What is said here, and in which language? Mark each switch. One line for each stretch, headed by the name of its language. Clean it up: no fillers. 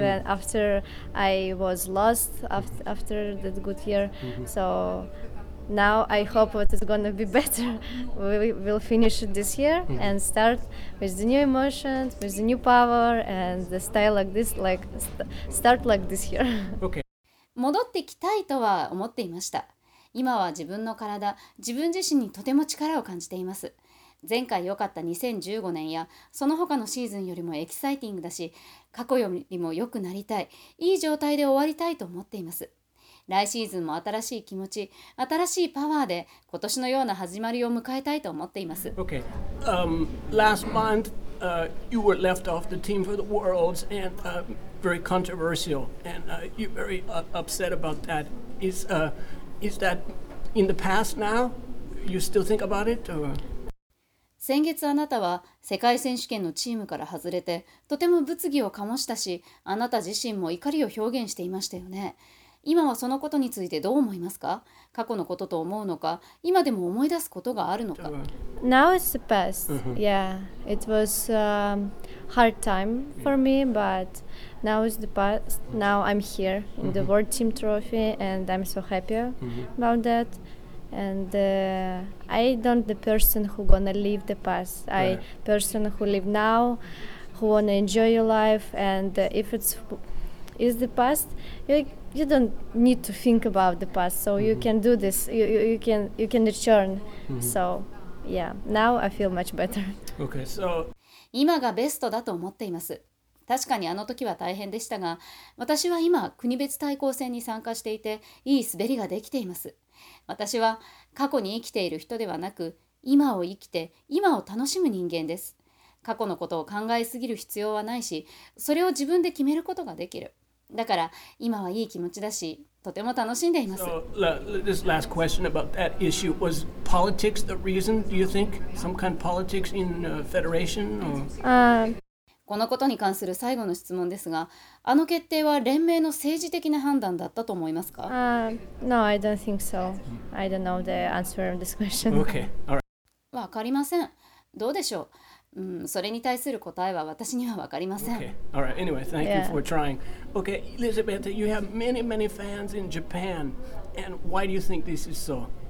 English: when after I was lost after that good year. Mm-hmm. So now I hope that it's going to be better. We will finish this year, mm-hmm. and start with the new emotions, with the new power and the style like this, like start like this year. Okay.
Japanese: 戻ってきたいとは思っていました。今は自分の体、自分自身にとても力を感じています。前回良かった2015年やその他のシーズンよりもエキサイティングだし、過去よりも良くなりたい、いい状態で終わりたいと思っています。来シーズンも新しい気持ち、新しいパワーで今年のような始まりを迎えたいと思っています。
English: Okay. Last month, you were left off the team for the Worlds and very controversial. And you're very upset about that. Is that in the past now? You still think about it? Or?
Japanese: 先月あなたは世界選手権のチームから外れて、とても物議を醸したし、あなた自身も怒りを表現していましたよね。今はそのことについてどう思いますか？過去のことと思うのか、今でも思い出すことがあるのか。
English: Now it's the past. Yeah, it was a hard time for me, but now it's the past. Now I'm here in the World Team Trophy and I'm so happy about that. And I don't the person who gonna leave the past. I person who live now, who wanna enjoy your life. And if it's is the past, you don't need to think about the past. So you can do this. You can return. So yeah, now I feel much better. Okay, so
Japanese: 今がベストだと思っています。確かにあの時は大変でしたが、私は今国別対抗戦に参加していて、いい滑りができています。私は過去に生きている人ではなく、今を生きて今を楽しむ人間です。過去のことを考えすぎる必要はないし、それを自分で決めることができる。だから今はいい気持ちだし、とても楽しんでいます。
English: So, this last question about that issue was politics the reason, do you think? Some kind of politics in federation or?
Japanese: このことに関する最後の質問ですが、あの決定は連盟の政治的な判断だったと思いますか？
English: No, I don't think so. I don't know the answer to this question. Okay. All right.
Japanese: わかりません。どうでしょう？それに対する答えは私にはわかりません。
English: Okay. All right. Anyway, thank you for trying. Okay, Elizabeth, you have many, many fans in Japan. And why do you think this is so?